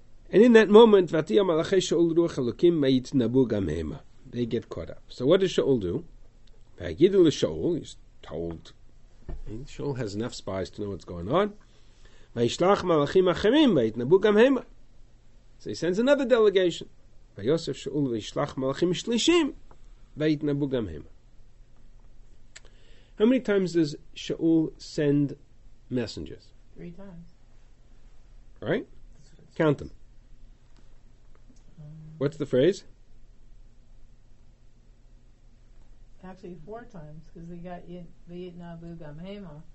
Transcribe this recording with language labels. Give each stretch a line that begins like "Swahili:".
English: And in that moment,
Hebrew: V'atiyah malachei Sha'ul Ruach Elokim Mayit Nabu Gam Hema,
English: they get caught up. So what does Sha'ul do?
Hebrew: V'agidu L'Sha'ul,
English: he's told, and Sha'ul has enough spies to know what's going on,
Hebrew: וישלח מלאכים אחרים, ויתנבו גם הם.
English: So he sends another delegation.
Hebrew: ויוסף שאול וישלח מלאכים שלישים, ויתנבו גם הם.
English: How many times does Shaul send messengers? Three times. Right? Count them. What's the phrase? Actually, four times, because they got
Hebrew: ויתנבו גם הם.